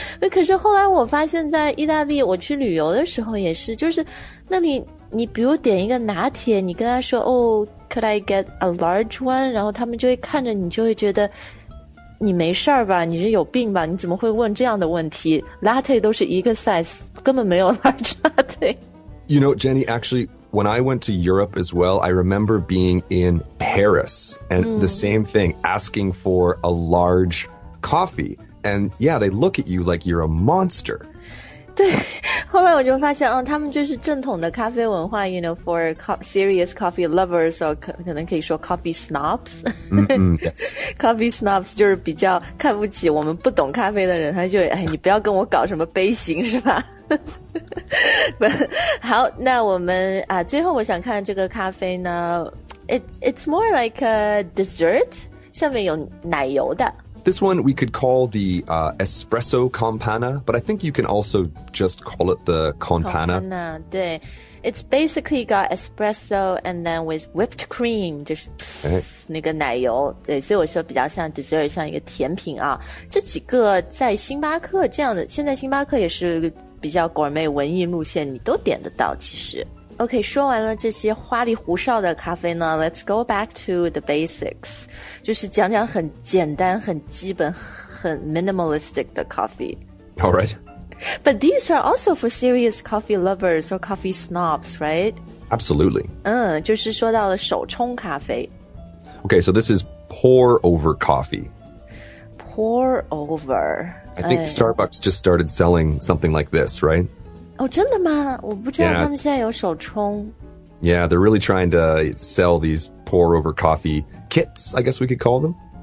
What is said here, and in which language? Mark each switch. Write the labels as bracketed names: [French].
[Chinese] 可是后来我发现在意大利我去旅游的时候也是就是那里你比如点一个拿铁你跟他说哦 [English] Could I get a large one? [Chinese] 然后他们就会看着你，就会觉得你没事儿吧，你是有病吧，你怎么会问这样的问题？ Latte 都是一个 size， 根本没有 large latte。 [English] You know, Jenny, actually, when I went to Europe as well, I remember being in Paris and、mm. the same thing, asking for a large coffee. And yeah, they look at you like you're a monster. [Chinese] 对，后来我就发现、他们就是正统的咖啡文化， you know, for serious coffee lovers, or 可能可以说 coffee snobs. [English] Yes. [Chinese] Coffee snobs 就是比较看不起我们不懂咖啡的人，他就哎，你不要跟我搞什么杯型是吧？好，那我们啊，最后我想看这个咖啡呢， it's more like a dessert, 上面有奶油的。 [English] This one we could call the、espresso campana, but I think you can also just call it the campana. [Chinese] Campana, 对。 [English] It's basically got espresso and then with whipped cream, 就是 pss,、okay. 那个奶油。 [Chinese] 对，所以我说比较像 dessert, 像一个甜品啊。这几个在星巴克这样的，现在星巴克也是比较 gourmet 文艺路线，你都点得到其实。 OK, 说完了这些花里胡哨的咖啡呢， Let's go back to the basics, 就是讲讲很简单很基本很 minimalistic 的 coffee. [English] All right. But these are also for serious coffee lovers or coffee snobs, right? Absolutely. [Chinese] 就是说到了手冲咖啡。 [English] OK, so this is pour over coffee. Pour over. I think、哎、Starbucks just started selling something like this, right? [Chinese] Oh, 真的吗？我不知道他们现在有手冲。 [English] Yeah, they're really trying to sell these pour-over coffee kits, I guess we could call them.